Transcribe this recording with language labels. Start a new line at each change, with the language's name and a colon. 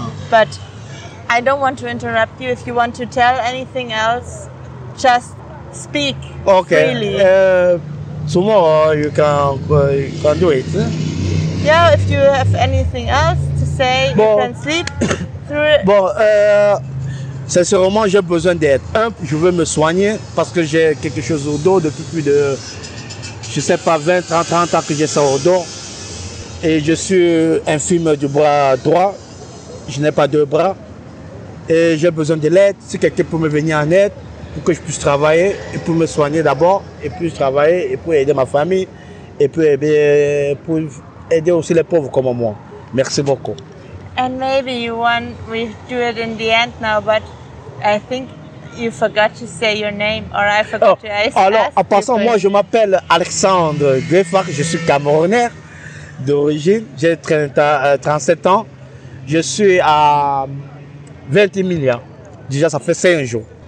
English: But I don't want to interrupt you. If you want to tell anything else, just speak freely. Tomorrow you can do it. Yeah, if you have anything else to say, bon. You can sleep through it.
French: Bon, sincèrement, j'ai besoin d'aide. Un, je veux me soigner parce que j'ai quelque chose au dos depuis plus de, je sais pas, 20, 30, 30 ans que j'ai ça au dos. Et je suis infirme du bras droit. Je n'ai pas deux bras. Et j'ai besoin de l'aide. Si quelqu'un peut me venir en aide pour que je puisse travailler et pour me soigner d'abord et puis travailler et pour aider ma famille et pour aider aussi les pauvres comme moi. Merci beaucoup.
English: And maybe you want, we do it in the end now, but I think you forgot to say your name, or I forgot to ask you.
French: Alors, en passant, moi, je m'appelle Alexandre Greffard, je suis Camerounais d'origine, j'ai 37 ans, je suis à 28 millions, déjà ça fait 5 jours.